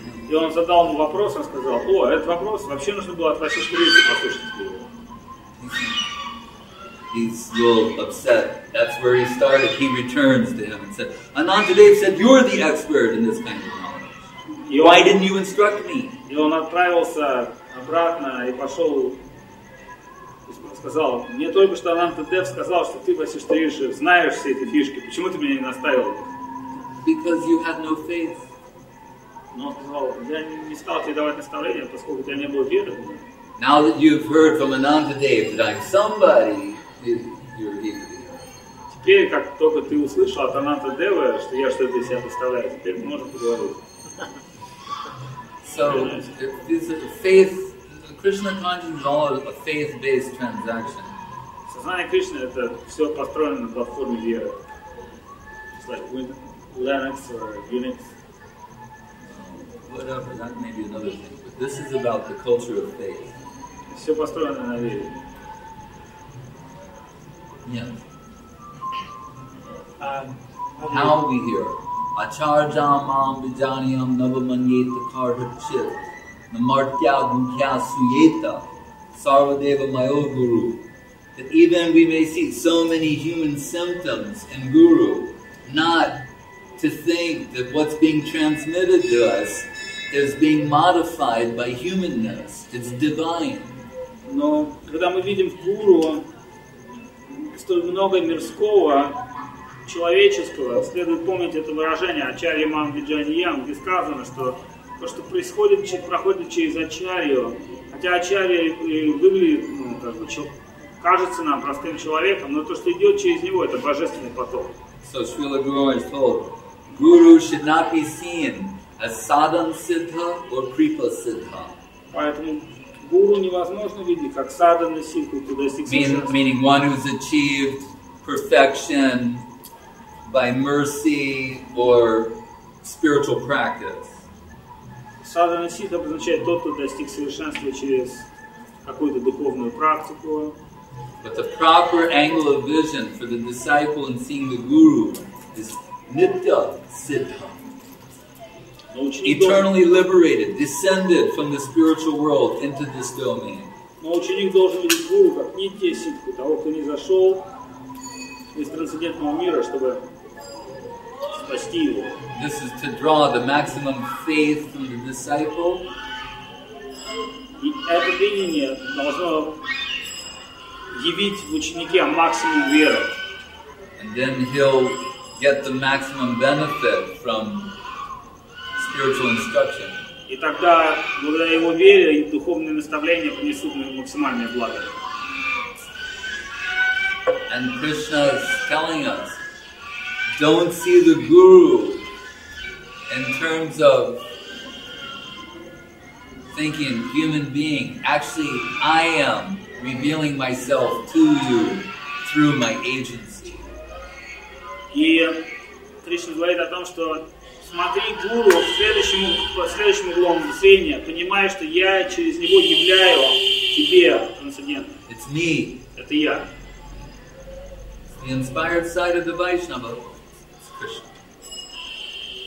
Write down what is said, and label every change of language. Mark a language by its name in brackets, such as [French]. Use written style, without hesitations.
[Russian] И он задал ему вопрос, он сказал, о, этот вопрос вообще нужно было от Васишки Риши послушать его. [English] He's a little upset. That's where he started. He returns to him and said, "Anantadev said you're the expert in this kind of knowledge. Why didn't you instruct me?" [Russian] И он отправился обратно и пошел и сказал, мне только что Анантадев сказал, что ты, Васишки Риши, знаешь все эти фишки. Почему ты меня не наставил? [English] Because you had no faith. [Russian] Но он сказал, я не стал тебе давать наставления, поскольку у тебя не было веры. [English] Now that you've heard from Anantadev that I'm somebody, you're here. [Russian] Теперь, как только ты услышал от Анантадева, что я что-то из себя представляю, теперь мы можем поговорить. [English] So, this is a faith, Krishna consciousness is all a faith-based transaction. [Russian] Сознание Кришны — это все построено на платформе веры. [English] It's like Linux or Unix. Whatever, that may be another thing. But this is about the culture of faith. [Russian] Все построено на вере. [English] Yeah. How we hear? [Sanskrit] Acharjam am vijaniyam navamanyeta karhachit namartya gunkhya suyeta sarvadeva mayo guru. [English] That even we may see so many human symptoms in guru, not to think that what's being transmitted to us is being modified by humanness. It's divine. [Russian] Но когда мы видим в Гуру столь много мирского, человеческого, следует помнить это выражение Ачарья Мам Виджаньям, где сказано, что то, что происходит, проходит через Ачарью, хотя Ачарья и выглядит, ну, как бы, кажется нам простым человеком, но то, что идет через него, это божественный поток. [English] So Srila Guru is told, Guru should not be seen as sadhan siddha or kripa siddha. [Russian] Поэтому гуру невозможно видеть как садханный сиддху, то есть [English] meaning one who's achieved perfection by mercy or spiritual practice. [Russian] Садханный сиддха обозначает тот, кто достиг совершенства через какую-то духовную практику. [English] But the proper angle of vision for the disciple in seeing the guru is nitya siddha. Eternally liberated, descended from the spiritual world into this domain. [Russian] Но ученик должен видеть гуру как нитья ситху, того, кто не зашел из трансцендентного мира, чтобы спасти его. [English] This is to draw the maximum faith from the disciple. [Russian] И это видение должно явить в ученике максимум веры. [English] And then he'll get the maximum benefit from spiritual instruction. [Russian] И тогда, благодаря его вере, духовные наставления принесут максимальное благо. [English] And Krishna is telling us, don't see the guru in terms of thinking human being. Actually, I am revealing myself to you through my agency. [Russian] И Кришна говорит о том, что смотри гуру по следующим углом зрения, понимая, что я через него являю тебе трансцендентно. [English] It's me. [Russian] Это я. [English] The inspired side of the Vaishnava. It's Krishna.